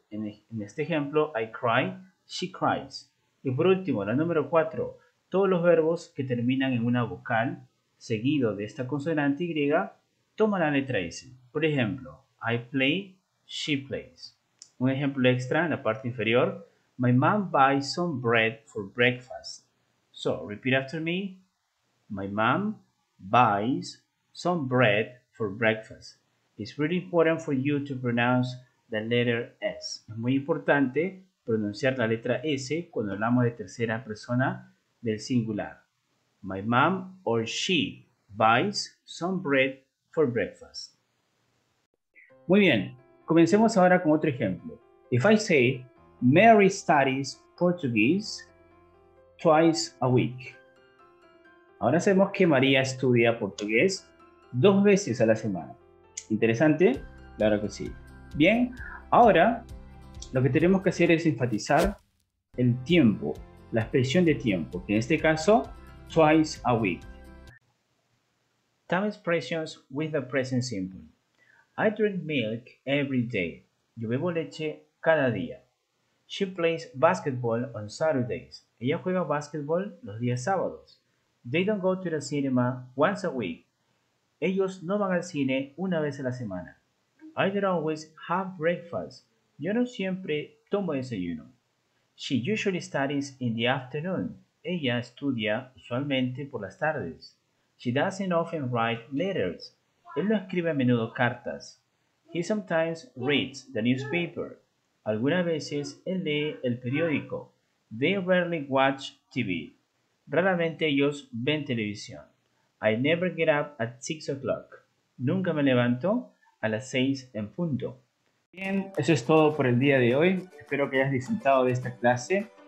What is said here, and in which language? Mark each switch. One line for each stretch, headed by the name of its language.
Spanish: En este ejemplo,
English: I cry, she cries.
Spanish: Y por último, la número 4. Todos los verbos que terminan en una vocal seguido de esta consonante Y toman la letra S. Por ejemplo,
English: I play, she plays.
Spanish: Un ejemplo extra en la parte inferior.
English: My mom buys some bread for breakfast. So, repeat after me. My mom buys some bread for breakfast. It's really important for you to pronounce the letter S.
Spanish: Es muy importante pronunciar la letra S cuando hablamos de tercera persona del singular.
English: My mom or she buys some bread for breakfast.
Spanish: Muy bien, comencemos ahora con otro ejemplo.
English: If I say, Mary studies Portuguese twice a week.
Spanish: Ahora sabemos que María estudia portugués dos veces a la semana. ¿Interesante? Claro que sí. Bien, ahora lo que tenemos que hacer es enfatizar el tiempo, la expresión de tiempo, que en este caso,
English: twice a week. Time expressions with the present simple. I drink milk every day.
Spanish: Yo bebo leche cada día.
English: She plays basketball on Saturdays.
Spanish: Ella juega basketball los días sábados.
English: They don't go to the cinema once a week.
Spanish: Ellos no van al cine una vez a la semana.
English: I don't always have breakfast.
Spanish: Yo no siempre tomo desayuno.
English: She usually studies in the afternoon.
Spanish: Ella estudia usualmente por las tardes.
English: She doesn't often write letters.
Spanish: Él no escribe a menudo cartas.
English: He sometimes reads the newspaper.
Spanish: Algunas veces él lee el periódico.
English: They rarely watch TV.
Spanish: Raramente ellos ven televisión.
English: I never get up at 6 o'clock.
Spanish: Nunca me levanto a las 6 en punto. Bien, eso es todo por el día de hoy. Espero que hayas disfrutado de esta clase.